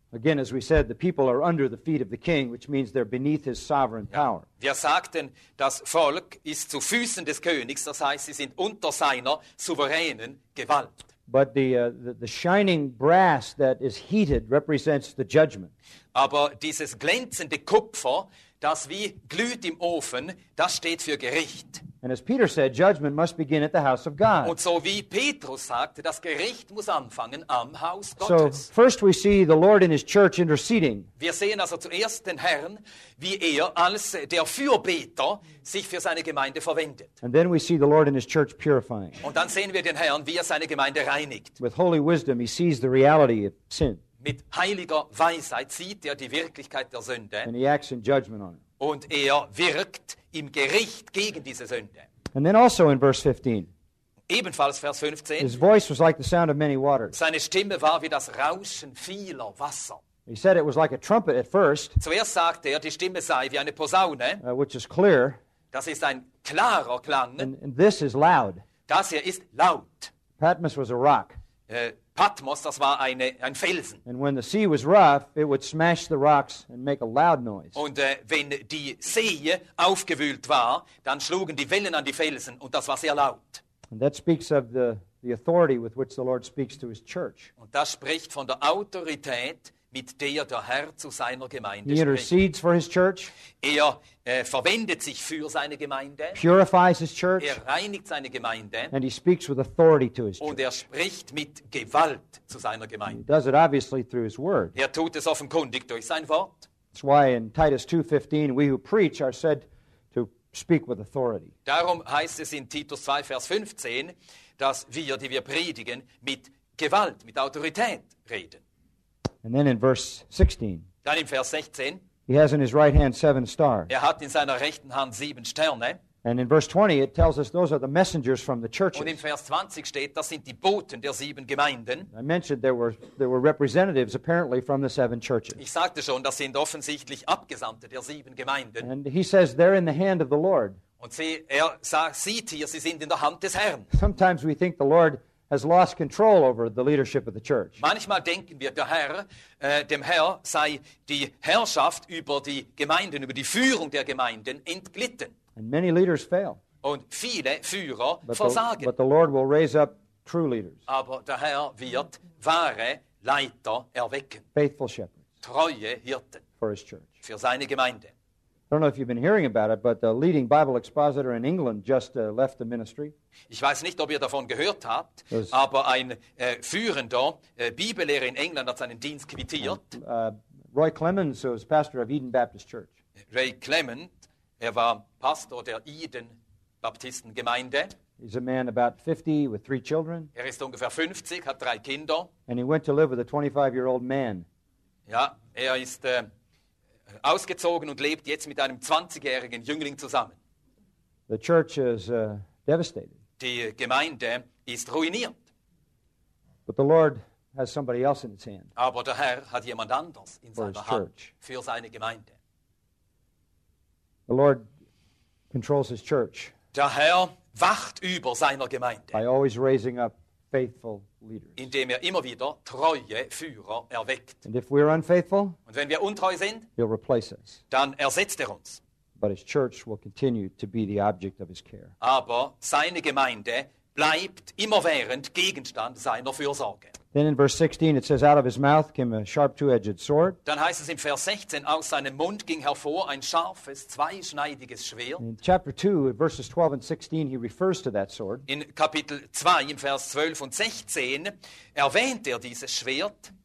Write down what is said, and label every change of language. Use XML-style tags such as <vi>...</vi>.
<en>Again, as we said, the people are under the feet of the king, which means they're beneath his sovereign power.</en> <de>Wir sagten, das Volk ist zu Füßen des Königs, das heißt, sie sind unter seiner souveränen Gewalt.</de> <en>But the shining brass that is heated represents the judgment.</en> <de>Aber dieses glänzende Kupfer, das wie glüht im Ofen, das steht für Gericht.</de> <en>And as Peter said, judgment must begin at the house of God.</en> <de>Und so wie Petrus sagte, das Gericht muss anfangen am Haus Gottes.</de> <en>So first we see the Lord in his church interceding.</en> <de>Wir sehen also zuerst den Herrn, wie als der Fürbeter sich für seine Gemeinde verwendet.</de> <en>And then we see the Lord in his church purifying.</en> <de>Und dann sehen wir den Herrn, wie seine Gemeinde reinigt.</de> <en>With holy wisdom he sees the reality of sin.</en> <de>Mit heiliger Weisheit sieht die Wirklichkeit der Sünde.</de> <en>And he acts in judgment on it.</en> <de>Und wirkt im Gericht gegen diese Sünde.</de> <en>And then also in verse 15.</en> <de>Ebenfalls Vers 15.</de> <en>His voice was like the sound of many waters.</en> <de>Seine Stimme war wie das Rauschen vieler Wasser.</de> <en>He said it was like a trumpet at first.</en> <de>Zuerst sagte er, die Stimme sei wie eine Posaune.</de> <en>Which is clear.</en> <de>Das ist ein klarer Klang.</de> <en>And this is loud.</en> <de>Das hier ist laut.</de> <en>Patmos was a rock.</en> <de>Patmos, das war ein Felsen.</de> <en>And when the sea was rough, it would smash the rocks and make a loud noise.</en> <de>Und wenn die See aufgewühlt war, dann schlugen die Wellen an die Felsen und das war sehr laut.</de> <en>And that speaks of the authority with which the Lord speaks to his church.</en> <de>Und das spricht von der Autorität, mit der Herr zu seiner Gemeinde spricht.</de> <en>He intercedes for his church.</en> <de>Er verwendet sich für seine Gemeinde.</de> <en>Purifies his church.</en> <de>Er reinigt seine Gemeinde.</de> <en>And he speaks with authority to his</en> <de>und Und er spricht mit Gewalt zu seiner Gemeinde.</de> <en>He does it obviously through his word.</en> <de>Er tut es offenkundig durch sein Wort.</de> <en>That's why in Titus 2:15 we who preach are said to speak with authority.</en> <de>Darum heißt es in Titus 2 Vers 15, dass wir, die wir predigen, mit Gewalt, mit Autorität reden.</de> <en>And then in verse 16.</en> <de>Dann im Vers 16.</de> <en>He has in his right hand 7 stars.</en> <de>Er hat in seiner rechten Hand 7 Sterne.</de> <en>And in verse 20 it tells us those are the messengers from the churches.</en> <de>Und im Vers 20 steht, das sind die Boten der 7 Gemeinden.</de> <en>I mentioned there were representatives apparently from the 7 churches.</en> <de>Ich sagte schon, das sind offensichtlich Abgesandte der 7 Gemeinden.</de> <en>And he says they're in the hand of the Lord.</en> <de>Und sieht hier, sie sind in der Hand des Herrn.</de> <en>Sometimes we think the Lord has lost control over the leadership of the church.</en> <de>Manchmal denken wir, der Herr, dem Herr sei die Herrschaft über die Gemeinden, über die Führung der Gemeinden entglitten.</de> <en>And many leaders fail.</en> <de>Und viele Führer versagen.</de> <en>But the Lord will raise up true leaders.</en> <de>Aber der Herr wird wahre Leiter erwecken.</de> <en>Faithful shepherds.</en> <de>Treue Hirten.</de> <en>For his church.</en> <de>Für seine Gemeinde.</de> <en>I don't know if you've been hearing about it, but the leading Bible expositor in England just left the ministry.</en> <de>Ich weiß nicht, ob ihr davon gehört habt, aber ein führender Bibellehrer in England hat seinen Dienst quittiert.</de> <en>Roy Clemens was pastor of Eden Baptist Church.</en> <de>Ray Clement, er war Pastor der Eden Baptistengemeinde.</de> <en>He's a man about 50 with 3 children.</en> <de>Er ist ungefähr 50, hat 3 Kinder.</de> <en>And he went to live with a 25-year-old man.</en> <de>Ja, er ist ausgezogen und lebt jetzt mit einem 20-jährigen Jüngling zusammen.</de> <en>The church is devastated.</en> <de>Die Gemeinde ist ruiniert.</de> <en>But the Lord has somebody else in his hand.</en> <de>Aber der Herr hat jemand anders in seiner Hand</de> <en>church.</en> <de>Für seine Gemeinde.</de> <en>The Lord controls his church.</en> <de>Der Herr wacht über seiner Gemeinde.</de> <en>By always raising up faithful leaders.</en> <de>Indem er immer wieder treue Führer erweckt.</de> <en>And if we are unfaithful,</en> <de>und wenn wir untreu sind,</de> <en>he'll replace us.</en> <de>Dann ersetzt er uns.</de> <en>But his church will continue to be the object of his care.</en> <de>Aber seine Gemeinde bleibt immerwährend Gegenstand seiner Fürsorge.</de> <en>Then in verse 16 it says, out of his mouth came a sharp two-edged sword.</en> <de>Dann heißt es im Vers 16, aus seinem Mund ging hervor ein scharfes, zweischneidiges Schwert.</de> <en>In chapter 2, verses 12 and 16, he refers to that sword.</en> <de>In Kapitel 2, im Vers 12 und 16, erwähnt er dieses Schwert.</de>